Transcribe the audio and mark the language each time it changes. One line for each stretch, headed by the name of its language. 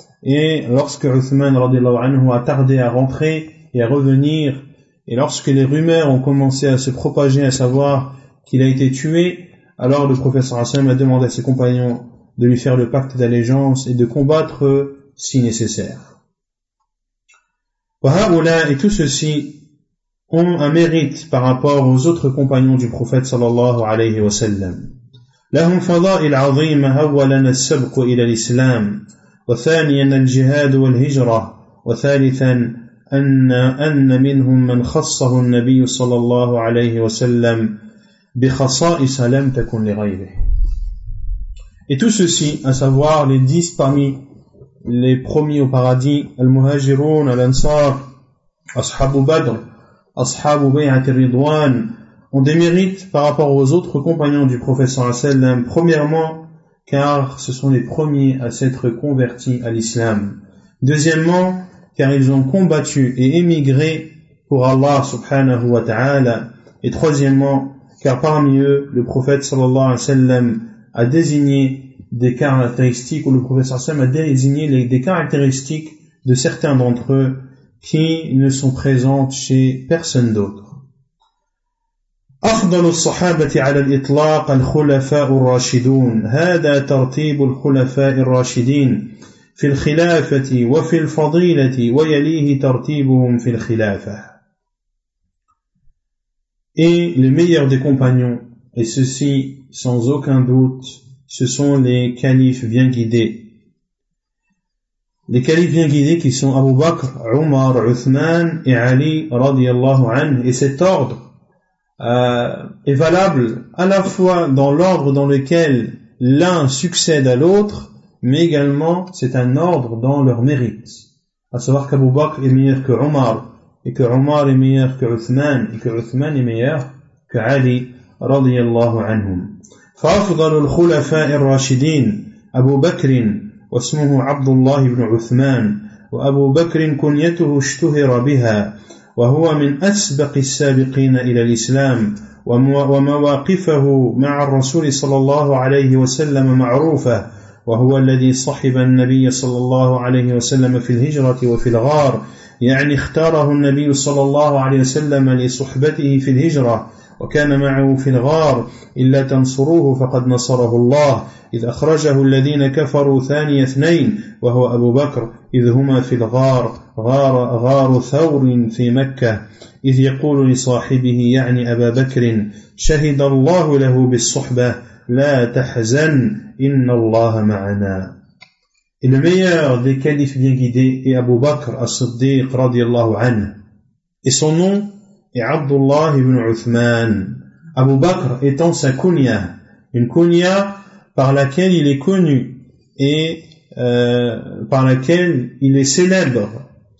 French: Et lorsque Uthman radiallahu anhu a tardé à rentrer et à revenir, et lorsque les rumeurs ont commencé à se propager, à savoir qu'il a été tué, alors le prophète sallallahu alayhi wa sallam a demandé à ses compagnons de lui faire le pacte d'allégeance et de combattre si nécessaire. Wahaoula, et tout ceci ont un mérite par rapport aux autres compagnons du prophète sallallahu alayhi wa sallam.
Arabic: لهم فضائل عظيمة أولا السبق إلى الإسلام وثانيا الجهاد والهجرة وثالثا أن منهم من خصه النبي صلى الله عليه وسلم بخصائص لم تكن لغيره.
French: Et tout ceci, à savoir les 10 parmi les promis au paradis, المهاجرون, الأنصار, أصحاب بدر, أصحاب بيعة الرضوان, ont des mérites par rapport aux autres compagnons du prophète sallallahu alayhi wa sallam, premièrement, car ce sont les premiers à s'être convertis à l'islam. Deuxièmement, car ils ont combattu et émigré pour Allah subhanahu wa ta'ala. Et troisièmement, car parmi eux, le prophète sallallahu alayhi wa sallam a désigné des caractéristiques, ou le prophète sallallahu alayhi wa sallam a désigné des caractéristiques de certains d'entre eux qui ne sont présentes chez personne d'autre.
Arabic: أفضل الصحابة على الإطلاق الخلفاء الراشدون هذا ترتيب الخلفاء الراشدين في الخلافة وفي الفضيلة ويليه ترتيبهم في الخلافة.
French: Et les meilleurs des compagnons, et ceci sans aucun doute, ce sont les califes bien guidés. Les califes bien guidés qui sont Abu Bakr, Umar, Uthman et Ali radiyallahu anhu. Et cet ordre est valable à la fois dans l'ordre dans lequel l'un succède à l'autre, mais également c'est un ordre dans leur mérite, à savoir qu'Abu Bakr est meilleur que Omar, et que Omar est meilleur que Uthman, et que Uthman est meilleur que Ali radiyallahu anhum.
Arabic: فأفضل الخلفاء الراشدين أبو بكر واسمه عبد الله بن عثمان وأبو بكر كنيته اشتهر بها وهو من أسبق السابقين إلى الإسلام ومواقفه مع الرسول صلى الله عليه وسلم معروفة وهو الذي صحب النبي صلى الله عليه وسلم في الهجرة وفي الغار، يعني اختاره النبي صلى الله عليه وسلم لصحبته في الهجرة وكان معه في الغار، إلا تنصروه فقد نصره الله إذ أخرجه الذين كفروا ثاني اثنين وهو أبو بكر، إذ هما في الغار غار ثور في مكة، إذ يقول لصاحبه يعني أبا بكر: شهد الله له بالصحبة، لا تحزن إن الله معنا.
French: Le meilleur des califes bien guidés est Abu Bakr as-Siddiq radiallahu anhu. Et son nom est Abdullah ibn Uthman. Abu Bakr étant sa kunya, une kunya par laquelle il est connu et par laquelle il est célèbre.